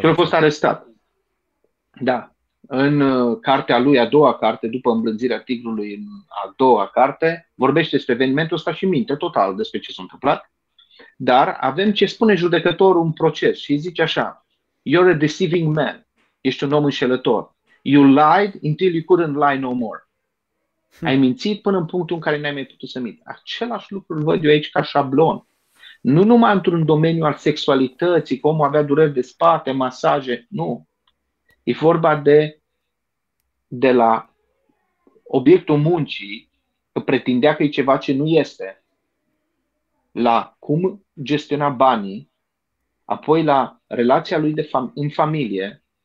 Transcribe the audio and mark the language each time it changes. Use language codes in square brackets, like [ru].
[ro] Și a fost arestat. Da. În cartea lui, a doua carte, după îmblânzirea tigrului, în a doua carte, vorbește despre evenimentul ăsta și minte total despre ce s-a întâmplat. Dar avem ce spune judecătorul în proces și zice așa: [en] "You're a deceiving man." [ro] Ești un om înșelător. [en] "You lied until you couldn't lie no more." [ro] Ai mințit până în punctul în care n-ai mai putut să minți. Același lucru îl văd eu aici ca șablon. Nu numai într-un domeniu al sexualității, că omul avea dureri de spate, masaje. Nu. E vorba de la obiectul muncii, că pretindea că e ceva ce nu este, la cum gestiona banii, apoi la relația lui în familie.